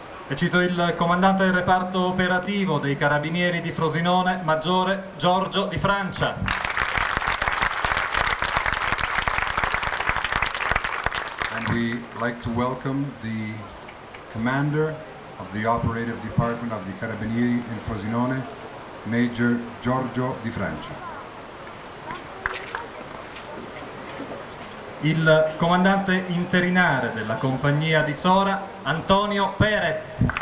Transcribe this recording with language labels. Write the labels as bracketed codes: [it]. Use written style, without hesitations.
[it] E cito il comandante del reparto operativo dei carabinieri di Frosinone, maggiore Giorgio Di Francia. [en] And we like to welcome the commander of the operative department of the carabinieri in Frosinone, Major Giorgio Di Francia. [it] Il comandante interinare della compagnia di Sora, Antonio Perez.